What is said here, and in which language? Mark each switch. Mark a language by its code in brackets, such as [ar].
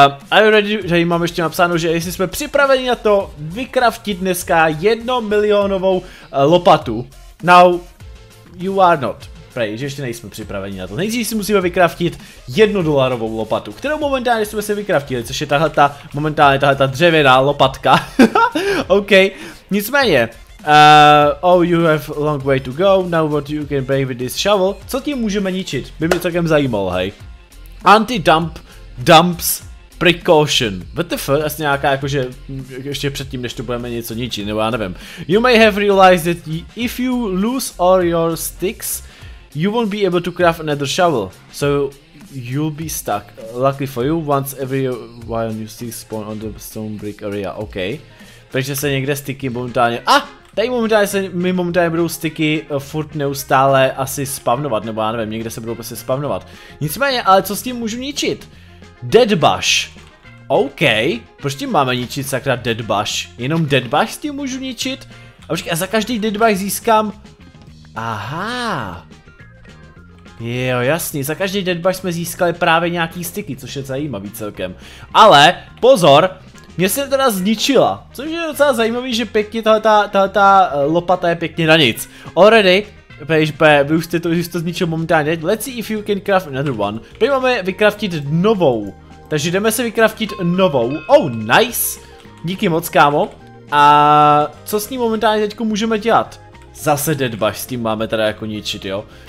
[cs] Already mám ještě napsáno, že jestli jsme připraveni na to vycraftit dneska 1 milionovou lopatu. [en] Now, you are not. [cs] Prej, že ještě nejsme připraveni na to. Nejdřív si musíme vycraftit 1 dolarovou lopatu, kterou momentálně jsme si vycraftili, což je momentálně tahle ta dřevěná lopatka. OK, nicméně. [en] Oh, you have a long way to go, now what you can break with this shovel. [cs] Co tím můžeme ničit? By mě celkem zajímalo, hej. [en] Anti-dump dumps precaution. [cs] WTF, asi nějaká jakože ještě předtím, než to budeme něco ničit, nebo já nevím. [en] You may have realized that if you lose all your sticks, you won't be able to craft another shovel, so you'll be stuck. Luckily for you, once every while new sticks spawn on the stone brick area. OK. [cs] Takže se někde sticky momentálně... Ah! Tady momentálně se mi momentálně budou sticky furt neustále asi spavnovat, nebo já nevím, někde se budou prostě spavnovat. Nicméně, ale co s tím můžu ničit? Deadbush. OK. Proč tím máme ničit sakra deadbush? Jenom deadbush s tím můžu ničit? A počkej, a za každý deadbush získám... Aha. Jo, jasný, za každý deadbush jsme získali právě nějaký sticky, což je zajímavý celkem. Ale, pozor, mě se teda zničila, což je docela zajímavý, že pěkně tahleta lopata je pěkně na nic. Already, vy už jste to zničil momentálně, [en] let's see if you can craft another one. [cs] Pojďme vycraftit novou Takže jdeme se vycraftit novou. Oh, nice. Díky moc, kámo. A co s ní momentálně teďko můžeme dělat? Zase deadbush s tím máme teda jako ničit, jo.